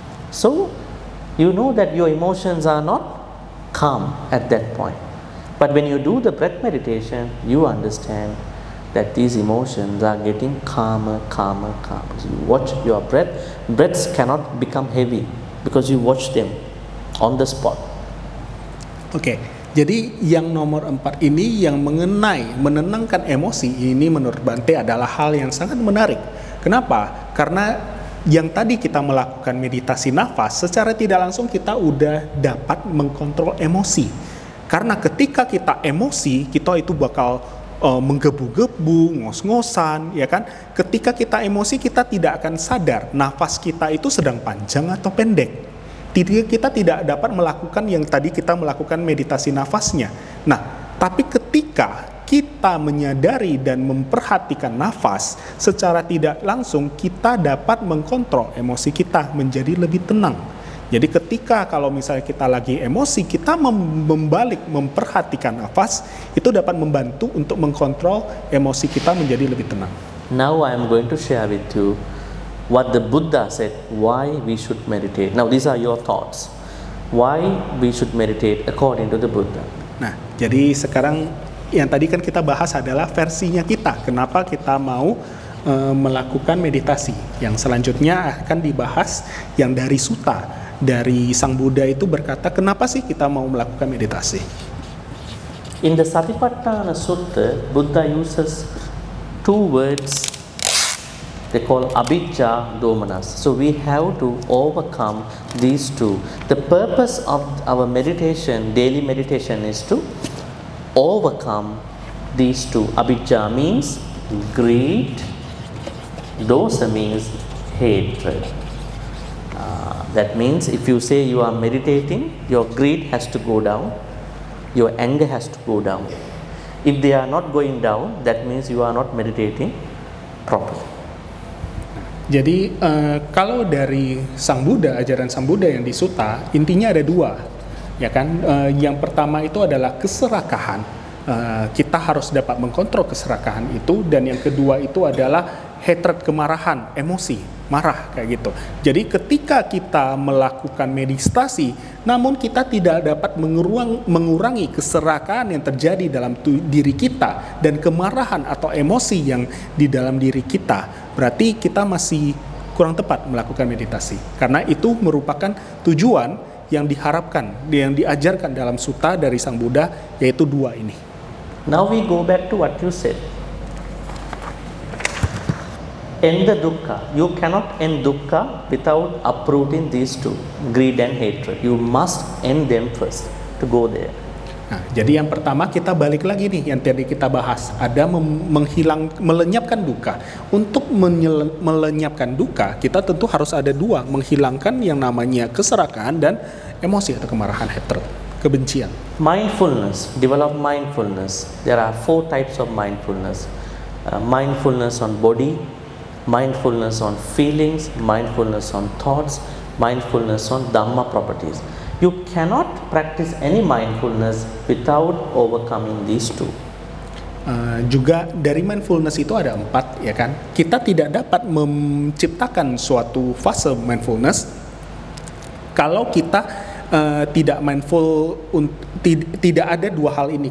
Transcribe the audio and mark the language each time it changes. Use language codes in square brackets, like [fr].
[en] So you know that your emotions are not calm at that point. But when you do the breath meditation, you understand that these emotions are getting calmer. So you watch your breath. Breaths cannot become heavy because you watch them on the spot. Okay. [id] Jadi yang nomor 4 ini yang mengenai menenangkan emosi ini menurut Bante adalah hal yang sangat menarik. Kenapa? Karena yang tadi kita melakukan meditasi nafas, secara tidak langsung kita udah dapat mengkontrol emosi. Karena ketika kita emosi, kita itu bakal menggebu-gebu, ngos-ngosan, ya kan? Ketika kita emosi, kita tidak akan sadar nafas kita itu sedang panjang atau pendek. Kita tidak dapat melakukan yang tadi kita melakukan meditasi nafasnya. Nah, tapi ketika kita menyadari dan memperhatikan nafas, secara tidak langsung kita dapat mengkontrol emosi kita menjadi lebih tenang. Jadi ketika kalau misalnya kita lagi emosi, kita membalik memperhatikan nafas, itu dapat membantu untuk mengkontrol emosi kita menjadi lebih tenang. [en] Now I am going to share with you what the Buddha said, why we should meditate. Now these are your thoughts. Why we should meditate according to the Buddha. [id] Nah, jadi sekarang yang tadi kan kita bahas adalah versinya kita, kenapa kita mau melakukan meditasi. Yang selanjutnya akan dibahas yang dari sutta, dari Sang Buddha itu berkata, kenapa sih kita mau melakukan meditasi. [en] In the Satipatthana Sutta, Buddha uses two words, they call abhijja domanas. So we have to overcome these two. The purpose of our meditation, daily meditation, is to overcome these two. Abhijja means greed, dosa means hatred. That means if you say you are meditating, your greed has to go down, your anger has to go down. If they are not going down, that means you are not meditating properly. [id] Jadi kalau dari Sang Buddha, ajaran Sang Buddha yang di Sutta, intinya ada dua, ya kan? Yang pertama itu adalah keserakahan. Kita harus dapat mengkontrol keserakahan itu, dan yang kedua itu adalah hatred, kemarahan, emosi, marah, kayak gitu. Jadi ketika kita melakukan meditasi, namun kita tidak dapat mengurangi keserakahan yang terjadi dalam diri kita, dan kemarahan atau emosi yang di dalam diri kita, berarti kita masih kurang tepat melakukan meditasi. Karena itu merupakan tujuan yang diharapkan, yang diajarkan dalam sutta dari Sang Buddha, yaitu dua ini. [en] Now we go back to what you said. End the dukkha. You cannot end dukkha without uprooting these two, greed and hatred. You must end them first to go there. [id] Nah, jadi yang pertama kita balik lagi nih yang tadi kita bahas, ada melenyapkan dukkha. Untuk melenyapkan dukkha, kita tentu harus ada dua, menghilangkan yang namanya keserakahan dan emosi atau kemarahan, hatred, kebencian. [en] Mindfulness, develop mindfulness. There are four types of mindfulness. Mindfulness on body, mindfulness on feelings, mindfulness on thoughts, mindfulness on dhamma properties. You cannot practice any mindfulness without overcoming these two. [id] Juga dari mindfulness itu ada empat, ya kan? Kita tidak dapat menciptakan suatu fase mindfulness kalau kita tidak mindful, tidak ada dua hal ini.